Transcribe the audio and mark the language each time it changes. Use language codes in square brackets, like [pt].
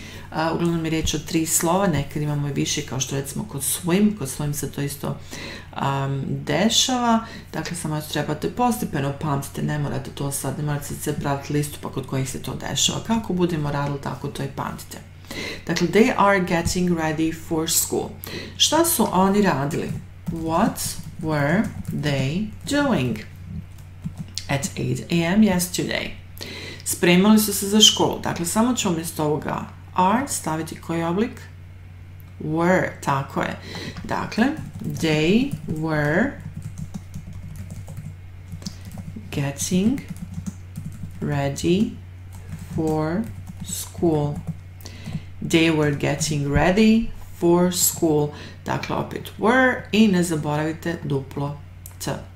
[bs] Uglavnom je riječ o tri slova, nekad imamo i više, kao što recimo kod swim se to isto dešava, dakle samo trebate postepeno pamtiti, ne morate to sad, ne morate se pratiti listu pa kod kojih se to dešava, kako budemo radili tako to i pamtite. Dakle, [en] they are getting ready for school. [bs] Šta su oni radili? [en] What were they doing at 8 a.m. yesterday? [bs] Spremali su se za školu, dakle samo ću umjesto ovoga are staviti koji oblik? Were, tako je. Dakle, [en] they were getting ready for school. They were getting ready for school. [bs] Dakle, opet were i ne zaboravite duplo t.